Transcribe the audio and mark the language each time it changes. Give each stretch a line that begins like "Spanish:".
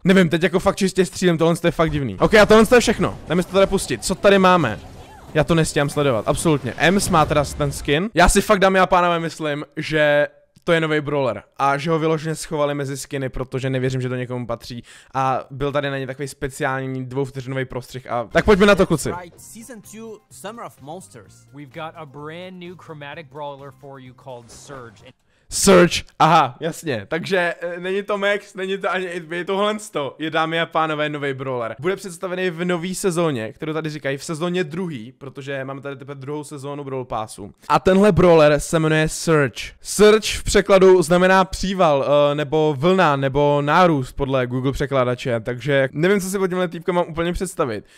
Czech: Nevím, teď jako fakt čistě střílem, tohle je fakt divný. Ok, a tohle je všechno, dáme se to tady pustit, co tady máme? Já to nestíhám sledovat, absolutně. Ems má teda ten skin. Já si fakt, dámy a pánové, myslím, že to je nový brawler a že ho vyloženě schovali mezi skiny, protože nevěřím, že to někomu patří a byl tady na ně takový speciální dvouvteřinový prostřih a tak pojďme na to, kluci.
English: Season 2 Summer of Monsters. We've got a brand new chromatic brawler for you called Surge.
Czech: Surge, aha, jasně, takže není to Max, není to ani 8-bit, tohle je, dámy a pánové, nový brawler. Bude představený v nový sezóně, kterou tady říkají, v sezóně druhý, protože máme tady teprve druhou sezónu Brawl Passu. A tenhle brawler se jmenuje Surge. Surge v překladu znamená příval, nebo vlna, nebo nárůst podle Google překladače, takže nevím, co si pod tímhle týpkem mám úplně představit.